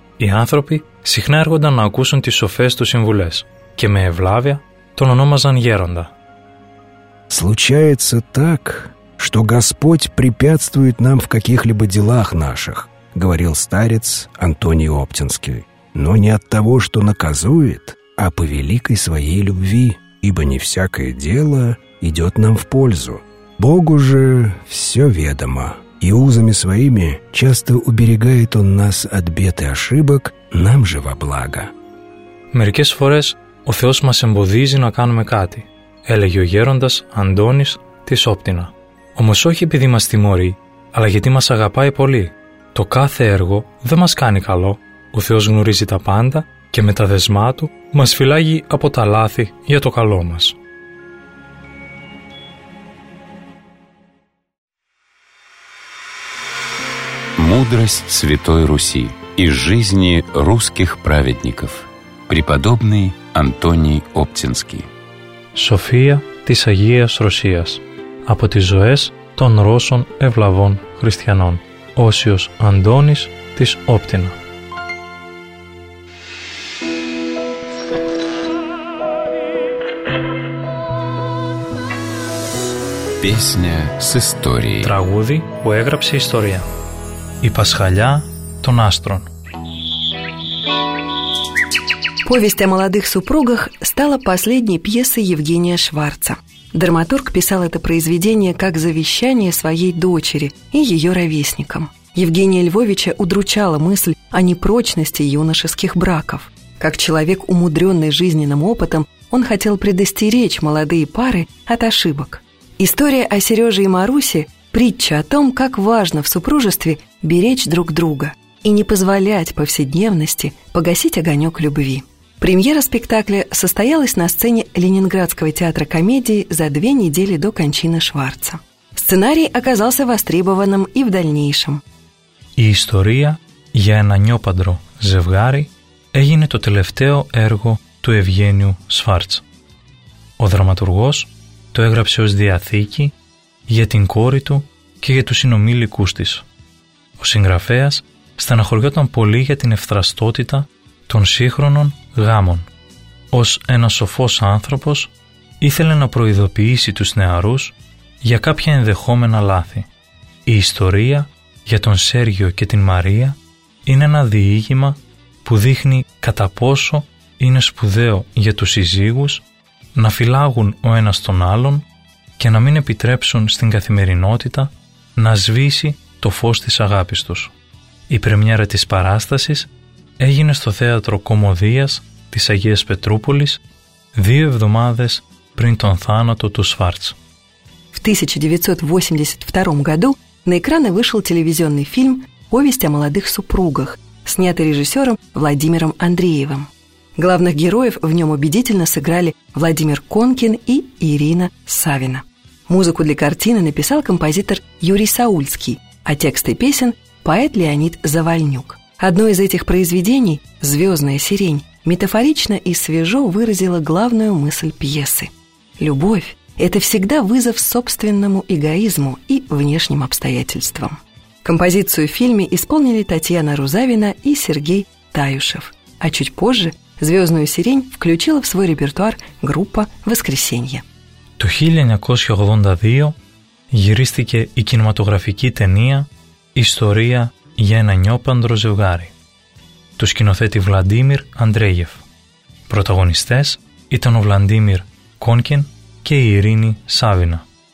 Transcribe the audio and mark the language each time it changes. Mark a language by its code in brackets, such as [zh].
[el] Οι άνθρωποι συχνά έρχονταν να ακούσουν τις σοφές του συμβουλές και με ευλάβεια τον ονόμαζαν γέροντα. [ru] «Случается так, что Господь препятствует нам в каких-либо делах наших», говорил старец Антоний Оптинский. «Но не от того, что наказует, а по великой своей любви, ибо не всякое дело идет нам в пользу. Богу же все ведомо, и узами своими часто уберегает он нас от бед и ошибок, нам же во благо». [el] Мерικές φορές ο Θεός μας εμποδίζει να κάνουμε κάτι, έλεγε ο γέροντας Αντώνης της Όπτινα. Όμως όχι επειδή μας τιμωρεί, αλλά γιατί μας αγαπάει πολύ. Το κάθε έργο δεν μας κάνει καλό. Ο Θεός γνωρίζει τα πάντα και με τα δεσμά Του μας φυλάγει από τα λάθη για το καλό μας. [ru] Мудрость Святой Руси из жизни русских праведников. Преподобный Антоний Оптинский. [el] София της Αγίας Ρωσίας. Από τις ζωές των Ρώσων ευλαβών χριστιανών. Όσιος Αντώνης της Όπτινα. [ru] Песня с историей. [el] Τραγούδι που έγραψε ιστορία. Η Пасхаля των Άστρων. [ru] Повесть о молодых супругах стала последней пьесой Евгения Шварца. Драматург писал это произведение как завещание своей дочери и ее ровесникам. Евгения Львовича удручала мысль о непрочности юношеских браков. Как человек, умудренный жизненным опытом, он хотел предостеречь молодые пары от ошибок. История о Сереже и Марусе – притча о том, как важно в супружестве беречь друг друга и не позволять повседневности погасить огонек любви. Премьера спектакля состоялась на сцене Ленинградского театра комедии за 2 недели до кончины Шварца. Сценарий оказался востребованным и в дальнейшем. [el] «Η история για ένα νιόπαντρο ζευγάρι έγινε το τελευταίο έργο του Ευγένιου Σφάρτς. Ο δραματουργός το έγραψε ως διαθήκη για την κόρη του και για τους συνομήλικούς της. Ο συγγραφέας στεναχωριόταν πολύ για την ευθραστότητα των σύγχρονων γάμων. Ως ένας σοφός άνθρωπος, ήθελε να προειδοποιήσει τους νεαρούς για κάποια ενδεχόμενα λάθη. Η ιστορία για τον Σέργιο και την Μαρία είναι ένα διήγημα που δείχνει κατά πόσο είναι σπουδαίο για τους συζύγους να φυλάγουν ο ένας τον άλλον και να μην επιτρέψουν στην καθημερινότητα να σβήσει το φως της αγάπης τους. Η πρεμιέρα της παράστασης έγινε στο θέατρο Κομμωδίας της Αγίας Πετρούπολης 2 εβδομάδες πριν τον θάνατο του Σφάρτς. [ru] В 1982 году на экраны вышел телевизионный фильм «Повесть о молодых супругах», снятый режиссером Владимиром Андреевым. Главных героев в нем убедительно сыграли Владимир Конкин и Ирина Савина. Музыку для картины написал композитор Юрий Саульский, а тексты песен – поэт Леонид Завальнюк. Одно из этих произведений, «Звездная сирень», метафорично и свежо выразило главную мысль пьесы. Любовь – это всегда вызов собственному эгоизму и внешним обстоятельствам. Композицию в фильме исполнили Татьяна Рузавина и Сергей Таюшев. А чуть позже «Звездную сирень» включила в свой репертуар группа «Воскресенье». [el] Το 1982 γυρίστηκε η κινηματογραφική ταινία «Ιστορία για ένα νιόπαντρο ζευγάρι» του σκηνοθέτη Βλαντίμιρ Αντρέγεφ. Πρωταγωνιστές ήταν ο Βλαντίμιρ Κόνκιν και η Ειρήνη Σάβινα.